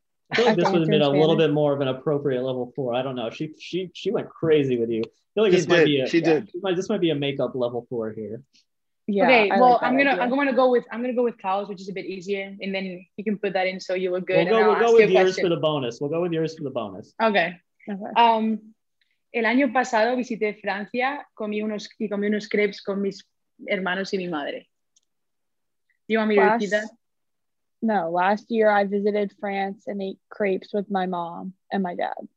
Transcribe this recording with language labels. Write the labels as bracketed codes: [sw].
[en] I feel like this would have been a little bit more of an appropriate level four. I don't know. She went crazy with you. I feel like this might be a makeup level four here. Yeah. Okay, I'm gonna go with Kyle's, which is a bit easier, and then you can put that in so you look good. We'll go with yours for the bonus. Okay. [es] El año pasado visité Francia, comí unos crepes con mis hermanos y mi madre. [en] Do you want me to repeat that? No, last year I visited France and ate crepes with my mom and my dad.